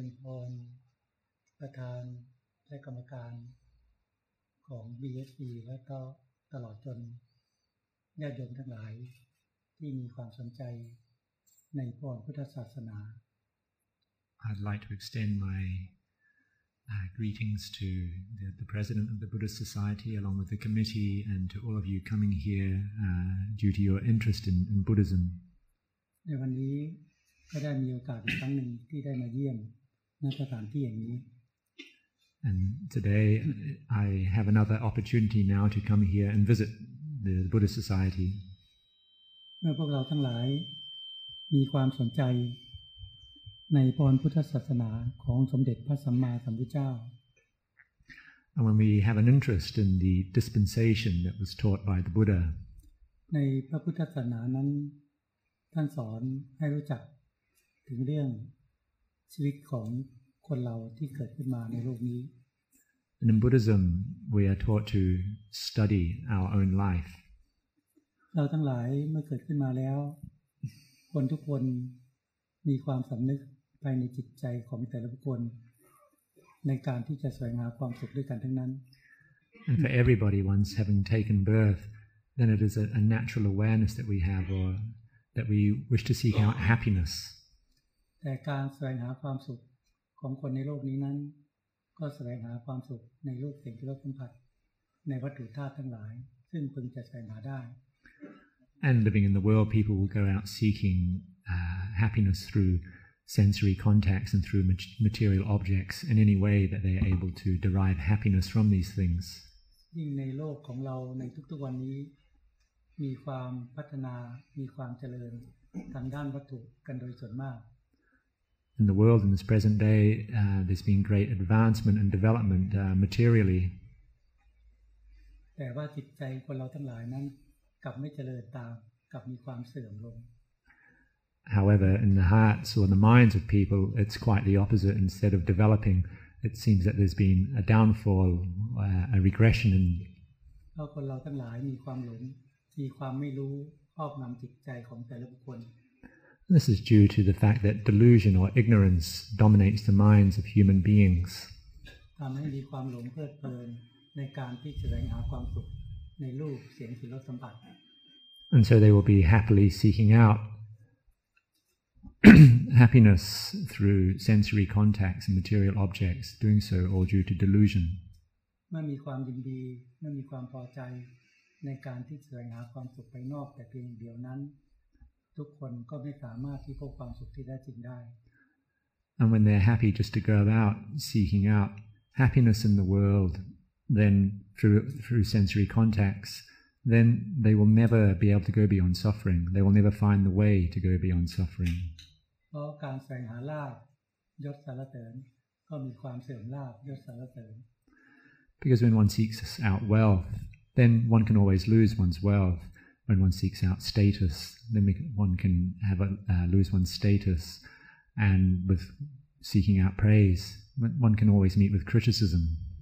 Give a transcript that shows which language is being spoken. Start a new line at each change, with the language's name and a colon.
Thai: พรประธานและกรรมการของ BSP และก็ตลอดจนญาติโยมทั้งหลายที่มีความสนใจในพรพุทธศาสนา
English: I'd like to extend my greetings to the President of the Buddhist Society along with the committee and to all of you coming here due to your interest in Buddhism
Thai: ในวันนี้ก็ได้มีโอกาสอีกครั้งหนึ่งที่ได้มาเยี่ยมณสถานที่อย่างนี้
English: And today I have another opportunity now to come here and visit the Buddhist Society
Thai: เมื่อพวกเราทั้งหลายมีความสนใจในพรพุทธศาสนาของสมเด็จพระสัมมาสัมพุทธเจ้า
English: And when we have an interest in the dispensation that was taught by the Buddha
Thai: ในพระพุทธศาสนานั้นท่านสอนให้รู้จักถึงเรื่องชีวิตของคนเราที่เกิดขึ้นมาในโลกนี้
English: In Buddhism we are taught to study our own life
Thai: เราทั้งหลายเมื่อเกิดขึ้นมาแล้วคนทุกคนมีความสำนึกภายในจิตใจของแต่ละบุคคลในการที่จะแสวงหาความสุขด้วยกันทั้งนั้น
English: And for everybody once having taken birth then it is a natural awareness that we have or that we wish to seek out happiness
Thai: แต่การแสวงหาความสุขของคนในโลกนี้นั้นก็แสวงหาความสุขในรูปเสียงที่เราสัมผัสในวัตถุธาตุทั้งหลายซึ่งพึงจะแสวงหาได้
English: And living in the world people will go out seeking happiness through sensory contacts and through material objects in any way that they are able to derive happiness from these things
Thai: ยิ่งในโลกของเราในทุกๆวันนี้มีความพัฒนามีความเจริญทางด้านวัตถุกันโดยส่วนมาก
English: In the world in this present day, there's been great advancement and development materially.
Thai: แต่ว่าจิตใจคนเราทั้งหลายนั้นกลับไม่เจริญตามกลับมีความเสื่อมลง
English: However, in the hearts or the minds of people, it's quite the opposite. Instead of developing, it seems that there's been a downfall, a regression.
Thai: เพราะคนเราทั้งหลายมีความหลงมีความไม่รู้ครอบงำจิตใจของแต่ละบุคคล
English: This is due to the fact that delusion or ignorance dominates the minds of human beings.
Thai: ทำให้มีความหลงเพลิดเพลินในการที่จะแสวงหาความสุขในรูปเสียงกลิ่นรสสัมผัส
English: And so they will be happily seeking out happiness through sensory contacts and material objects, doing so all due to delusion.
Thai: ไม่มีความยินดีไม่มีความพอใจในการที่แสวงหาความสุขไปนอกแต่เพียงเดียวนั้นทุกคนก็ไม่สามารถที่พบความสุขที่แท้จริงได้
English: And when they're happy just to go about seeking out happiness in the world then through sensory contacts then they will never be able to go beyond suffering they will never find the way to go beyond suffering
Thai: เพราะการแสวงหาลาภยศสรรเสริญก็มีความเสื่อมลาภยศสรรเสริญ
English: Because when one seeks out wealth then one can always lose one's wealthWhen one seeks out status, then one can have lose one's status. And with seeking out praise, one can always meet with criticism.